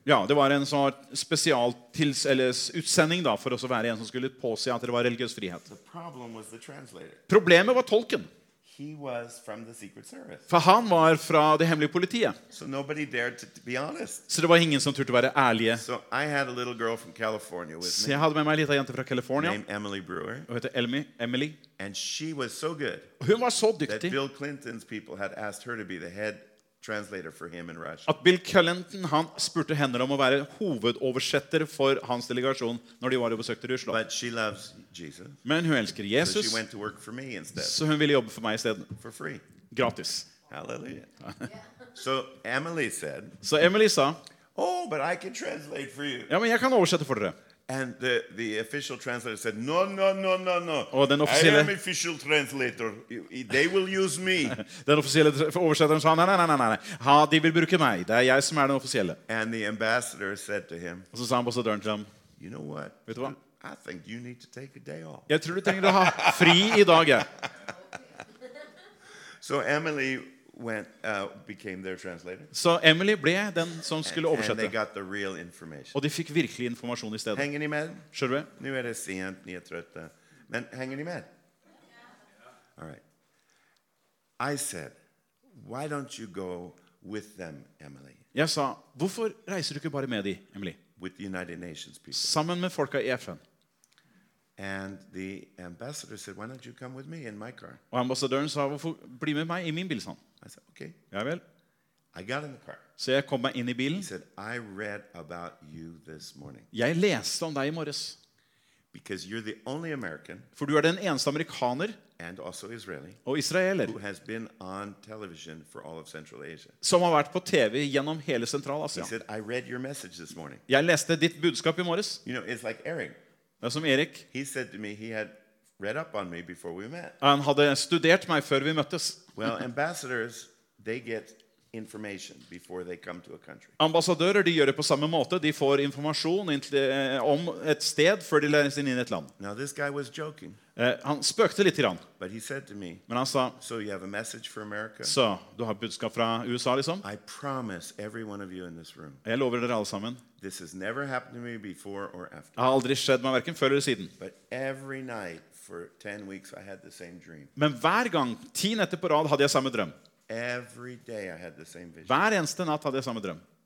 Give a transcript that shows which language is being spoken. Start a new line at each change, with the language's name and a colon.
Swedish: Ja, det var en sån special utsändning då för att så vara en som skulle påse att det var religiös frihet.
English: The problem was the translator.
Swedish: Problemet var tolken.
English: He was from the secret service.
Swedish: För han var från det hemliga politiet.
English: So nobody dared to be honest.
Swedish: Så det var ingen som turde vara ärlig.
English: So I had a little girl from California with me.
Swedish: Så jag hade med mig en liten jente från Kalifornien.
English: Named Emily Brewer.
Swedish: Och heter Elmi, Emily.
English: And she was so good.
Swedish: Hon var så duktig.
English: That Bill Clinton's people had asked her to be the head translator for him in Russia.
Norwegian: At Bill Clinton han spurte henne om å være hovedoversetter for hans delegasjon når de var og besøkte Russland.
English: But she loves Jesus.
Norwegian: Men hun elsker Jesus.
English: So she went to work for me instead.
Norwegian: Så hun ville jobbe for meg I stedet.
English: For free.
Norwegian: Gratis.
English: Hallelujah. Yeah. So Emily said.
Norwegian: Så Emily sa.
English: Oh, but I can translate for you.
Norwegian: Ja, men jeg kan oversette for dere.
English: And the official translator said, "No, no, no, no, no."
Swedish: Oh, den officielle.
English: I am official translator. They will use me.
Swedish: Den officielle översättaren sa, "Nej, nej, nej, nej, nej. De vill bruka mig. Det är jag som är den officielle."
English: And the ambassador said to him.
Swedish: Och så sa ambassadören till honom.
English: You know what?
Swedish: Vet du vad?
English: I think you need to take a day off.
Swedish: Jag tror du tänker ha fri idag.
English: So Emily went became their translator.
Swedish: Så Emily blev den som skulle översätta.
English: And they got the real information.
Swedish: Och de fick verklig information istället. Hänger ni med? Kör vi? Nu är det sent, ni är trötta. Men hänger ni med?
English: Yeah. All right. I said, "Why don't you go with them, Emily?"
Swedish: Jag sa, "Varför reser du inte bara med dig, Emily?"
English: With the United Nations people.
Norwegian: Sammen med folk I FN.
English: And the ambassador said, "Why don't you come with me in my car?"
Swedish: Och ambassadören sa, "Varför bli med mig I min bil sån?"
English: I said, "Okay."
Swedish: Ja väl.
English: I got in the car.
Swedish: Så jag kom in I bilen.
English: He said, "I read about you this morning."
Swedish: Jag läste om dig I morse.
English: Because you're the only American.
Swedish: För du är den enda amerikaner.
English: And also Israeli.
Swedish: Och israeler.
English: Who has been on television for all of Central Asia.
Swedish: Som har varit på TV genom hela Centralasien.
English: He said, "I read your message this morning."
Swedish: Jag läste ditt budskap I morse.
English: You know, it's like Eric.
Swedish: Det som Erik.
English: He said to me he had read up on me before we met.
Swedish: Han hade studerat mig för vi möttes.
English: Well, ambassadors they get information before they come to a country.
Swedish: Ambassadörer de gör det på samma måte. De får information om ett sted för de lär sig in I ett land.
English: Now this guy was joking.
Swedish: Han spökte lite grann.
English: But he said to me.
Swedish: Men han sa.
English: So you have a message for America.
Swedish: Så du har budskap från USA liksom.
English: I promise every one of you in this room.
Swedish: Jag lovar er allsammen.
English: This has never happened to me before or after.
Swedish: Aldrig skett mig varken förr eller siden.
English: But every night for 10 weeks I had the same dream.
Swedish: Men varje gång 10 nätter på rad hade jag samma dröm.
English: Every day I had the same vision.
Swedish: Varje enda natt hade jag samma dröm.